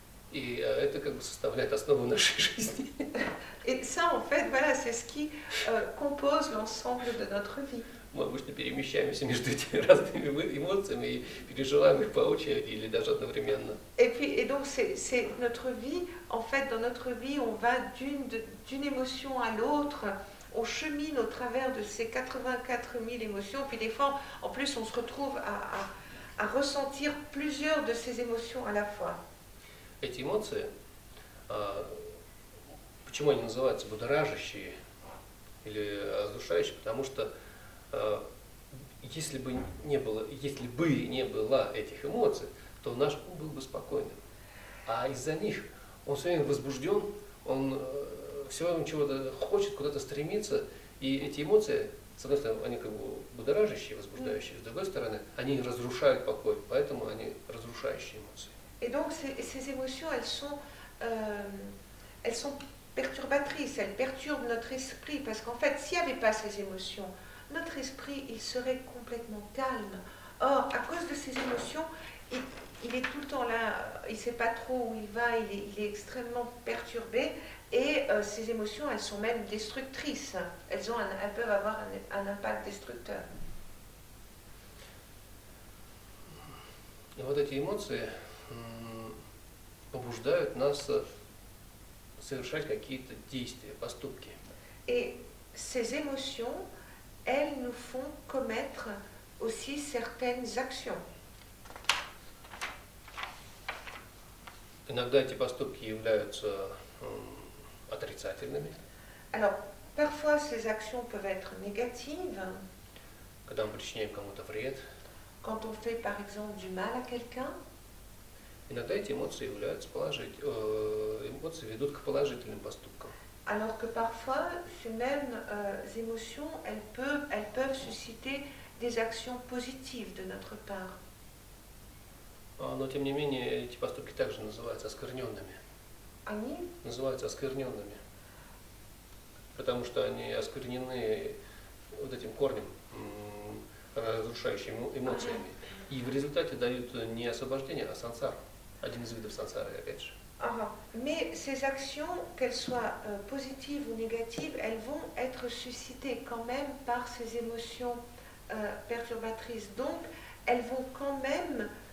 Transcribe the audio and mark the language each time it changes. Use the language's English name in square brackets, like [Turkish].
[Russian] Et это как бы составляет основу нашей жизни. [French] Et ça, en fait, voilà, c'est ce qui compose l'ensemble de notre vie. [Russian] Мы обычно перемещаемся между этими разными эмоциями и переживаем их по очереди или даже одновременно. [French] Et puis, et donc c'est notre vie, en fait, dans notre vie, on va d'une émotion à l'autre, on chemine au travers de ces 84 000 émotions, puis des fois, en plus, on se retrouve à ressentir plusieurs de ces émotions à la fois. [Russian] Эти эмоции, почему они называются будоражащие или разрушающие? Потому что если бы не было этих эмоций, то наш ум был бы спокойным. А из-за них он все время возбужден, он все время чего-то хочет, куда-то стремится. И эти эмоции, с одной стороны, они как бы будоражащие, возбуждающие, с другой стороны, они разрушают покой, поэтому они разрушающие эмоции. [French] Et donc ces émotions, elles sont perturbatrices, elles perturbent notre esprit, parce qu'en fait, s'il n'y avait pas ces émotions, notre esprit, il serait complètement calme. Or, à cause de ces émotions, il est tout le temps là, il ne sait pas trop où il va, il est extrêmement perturbé, et ces émotions, elles sont même destructrices, elles peuvent avoir un impact destructeur. [Russian] Et вот эти эмоции побуждают нас совершать какие-то действия, поступки. [French] Et ces émotions, elles nous font commettre aussi certaines actions. [Russian] Иногда эти поступки являются отрицательными. [French] Alors, parfois ces actions peuvent être négatives. [Russian] Когда мы причиняем кому-то вред. [French] Quand on fait, par exemple, du mal à quelqu'un. [Russian] Иногда эти эмоции являются эмоции ведут к положительным поступкам. [French] Alors que parfois, ces mêmes émotions, elles peuvent susciter des actions positives de notre part. [Russian] Но тем не менее, эти поступки также называются оскверненными. Они? Называются оскверненными. Потому что они осквернены вот этим корнем, разрушающими эмоциями. И в результате дают не освобождение, а сансару. Один из видов сансары, опять же. Ага. [French] Mais ces actions, qu'elles soient positives ou négatives, elles vont être suscitées quand même par ces émotions perturbatrices. Donc, elles vont quand même